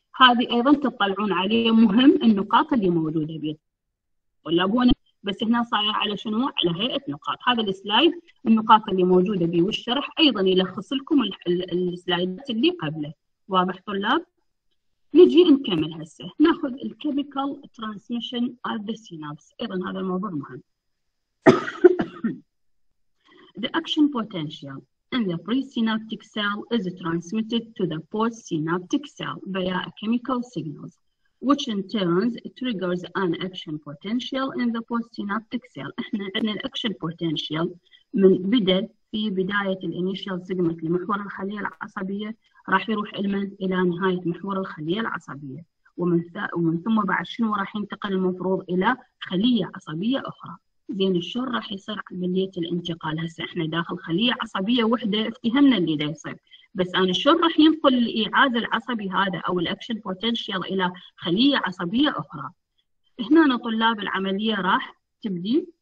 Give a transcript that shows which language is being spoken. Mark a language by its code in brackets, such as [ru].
[ar] هذه ايضا تطلعون عليه مهم النقاط اللي موجوده بيه ولا بونا، بس هنا صاير على شنو؟ على هيئه نقاط. هذا السلايد النقاط اللي موجوده بيه والشرح ايضا يلخص لكم السلايدات اللي قبله. واضح طلاب؟ نجي نكمل هسه، ناخذ [en] الكيميكال transmission at the synapse, [ar] ايضا هذا الموضوع مهم. [en] The action potential in the presynaptic cell is transmitted to the postsynaptic cell via chemical signals, which in turn triggers an action potential in the postsynaptic cell. [ar] احنا عندنا الاكشن بوتنشال من بدا في بدايه الانيشال سيجمنت لمحور الخليه العصبيه، راح يروح المن الى نهايه محور الخليه العصبيه، ومن ثم بعد شنو راح ينتقل المفروض الى خليه عصبيه اخرى. زين شلون راح يصير عمليه الانتقال؟ هسه احنا داخل خليه عصبيه وحده افتهمنا اللي دا يصير، بس انا شلون راح ينقل الايعاز العصبي هذا او الاكشن بوتنشال الى خليه عصبيه اخرى؟ هنا طلاب العمليه راح تبدي